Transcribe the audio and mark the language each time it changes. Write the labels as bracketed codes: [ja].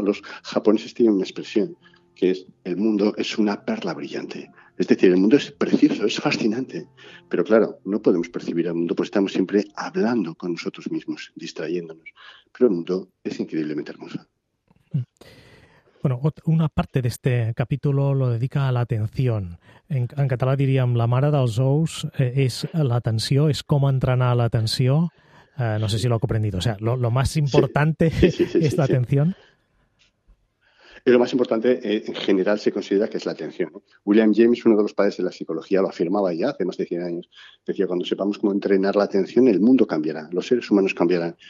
[es] Los japoneses tienen una expresión que es: el mundo es una perla brillante. Es decir, el mundo es precioso, es fascinante. Pero claro, no podemos percibir al mundo porque estamos siempre hablando con nosotros mismos, distrayéndonos. Pero el mundo es increíblemente hermoso. Bueno, una parte d'este capítol lo dedica a l'atenció. [ca] En català diríem la mare dels ous és l'atenció, és com entrenar l'atenció. [es] No sé si lo he comprendido. O sea, lo más importante es la atención. Pero lo más importante en general se considera que es la atención, ¿no? William James, uno de los padres de la psicología, lo afirmaba ya hace más de 100 años. Decía, cuando sepamos cómo entrenar la atención, el mundo cambiará, los seres humanos cambiarán.